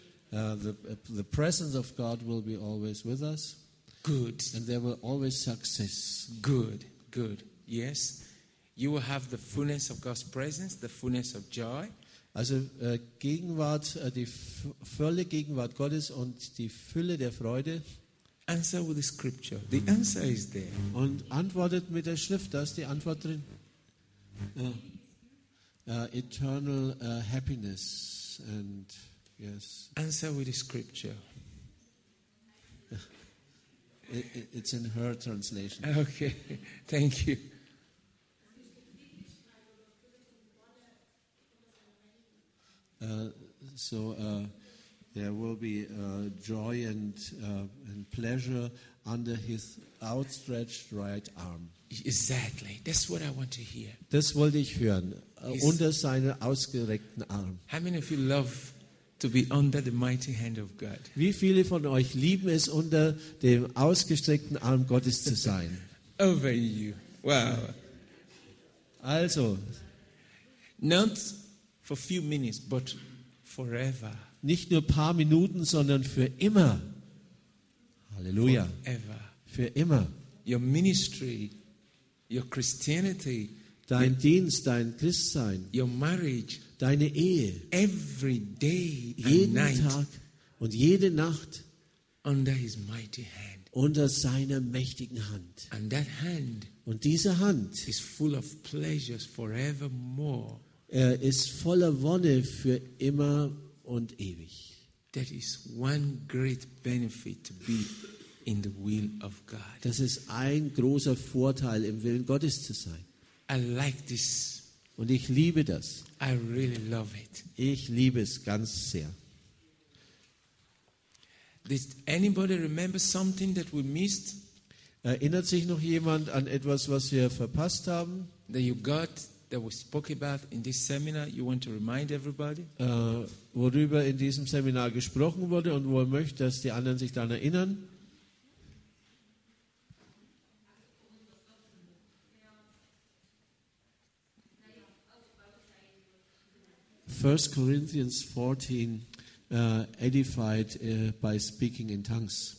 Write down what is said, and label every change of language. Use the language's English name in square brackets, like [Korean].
[English] The presence of God will be always with us. Good. And there will always success. Good. Good. Yes. You will have the fullness of God's presence, the fullness of joy. [German] Also Gegenwart, die volle Gegenwart Gottes und die Fülle der Freude. [English] Answer with the scripture. The answer is there. [German] Und antwortet mit der Schrift, da ist die Antwort drin. [English] Eternal happiness and yes. Answer with the scripture. It's in her translation. Okay, thank you. There will be joy and pleasure under his outstretched right arm. Exactly. That's what I want to hear. [German] Das wollte ich hören. Unter seinem ausgereckten Arm. [English] How many of you love to be under the mighty hand of God? [German] Wie viele von euch lieben es, unter dem ausgestreckten Arm Gottes zu sein? [English] Over you. Wow. [German] Also. [English] Not for few minutes, but forever. [German] Nicht nur ein paar Minuten, sondern für immer. Halleluja. [English] Forever. [German] Für immer. [English] Your ministry, your Christianity, [German] dein Dienst, dein Christsein, [English] your marriage, [German] deine Ehe, [English] every day and [German] jeden [English] night, [German] Tag und jede Nacht [English] under his mighty hand. [German] Unter seiner mächtigen Hand. [English] And that hand [German] und diese Hand [English] is full of pleasures forevermore. [German] Er ist voller Wonne für immer und ewig. [English] That is one great benefit to be in the will of God. [German] Das ist ein großer Vorteil, im Willen Gottes zu sein. [English] I like this. [German] Und ich liebe das. [English] I really love it. [German] Ich liebe es ganz sehr. [English] Does anybody remember something that we missed? [German] Erinnert sich noch jemand an etwas, was wir verpasst haben? [English] That you got, that we spoke about in this seminar, you want to remind everybody? [German] Worüber in diesem Seminar gesprochen wurde und wo er möchte, dass die anderen sich daran erinnern. [English] First Corinthians 14, edified by speaking in tongues.